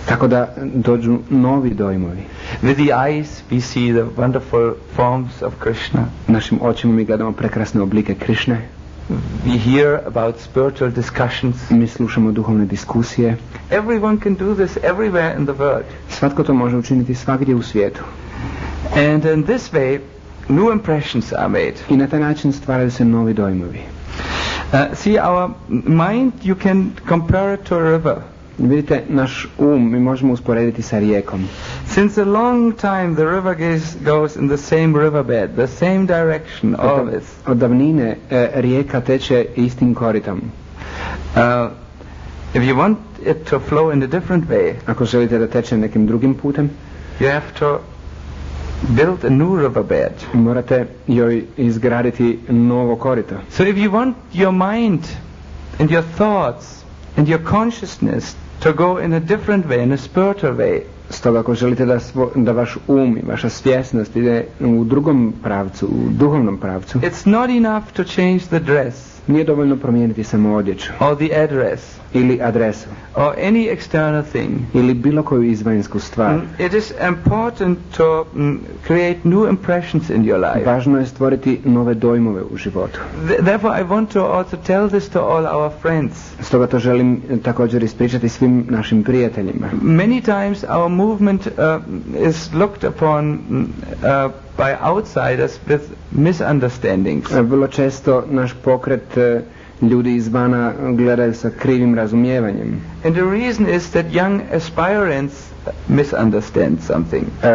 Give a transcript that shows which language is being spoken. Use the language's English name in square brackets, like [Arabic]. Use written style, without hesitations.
[Croatian] Tako da dođu novi dojmovi. [English] With the eyes we see the wonderful forms of Krishna. [Croatian] Našim očima mi gledamo prekrasne oblike Krishne. [English] We hear about spiritual discussions. [Croatian] Mi slušamo duhovne diskusije. [English] Everyone can do this everywhere in the world. [Croatian] Svatko to može učiniti svagdje u svijetu. [English] And in this way new impressions are made. [Croatian] I na taj način stvaraju se novi dojmovi. [English] See our mind, you can compare it to a river. [Croatian] Vidite, naš um mi možemo usporediti sa rijekom. [English] Since a long time the river goes in the same riverbed, the same direction always. [Croatian] Od davnine rijeka teče istim koritom. [English] If you want it to flow in a different way. [Croatian] Ako želite da teče nekim drugim putem, [English] you have to build a new riverbed. [Croatian] Morate joj izgraditi novo korito. [English] So if you want your mind and your thoughts and your consciousness to go in a different way, in a spiritual way. [Croatian] Stoga ako želite da, da vaš um i vaša svjesnost ide u drugom pravcu, u duhovnom pravcu. [English] It's not enough to change the dress. [Croatian] Nije dovoljno promijeniti samo odjeću. [English] Or the address. [Croatian] Ili adresu. [English] Or any external thing. [Croatian] Ili bilo koju izvanjsku stvar. [English] It is important to create new impressions in your life. [Croatian] Važno je stvoriti nove dojmove u životu. [English] Therefore I want to also tell this to all our friends. [Croatian] Stoga to želim također ispričati svim našim prijateljima. [English] Many times our movement is looked upon by outsiders with misunderstandings. [Croatian] Vrlo često naš pokret ljudi izvana gledaju sa krivim razumijevanjem. [English] And the reason is that young aspirants misunderstand something.